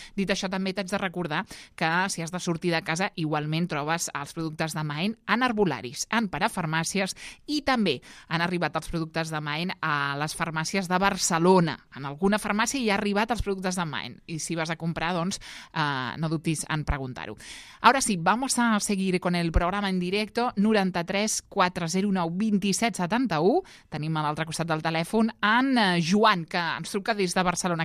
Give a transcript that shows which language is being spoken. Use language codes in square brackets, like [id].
[ca] Dit això, també t'haig de recordar que si has de sortir de casa, igualment trobes els productes de Mind en herbolaris, en parafarmàcies i també han arribat els productes de Mind a les farmàcies de Barcelona. En alguna farmàcia hi ha arribat els productes de Mind. I si vas a comprar, doncs, no dubtis en preguntar-ho. [es] Ara sí, vamos a seguir con el programa en directo. 93-409-2771. [ca] Tenim a l'altre costat del telèfon en Joan, que ens truca des de Barcelona.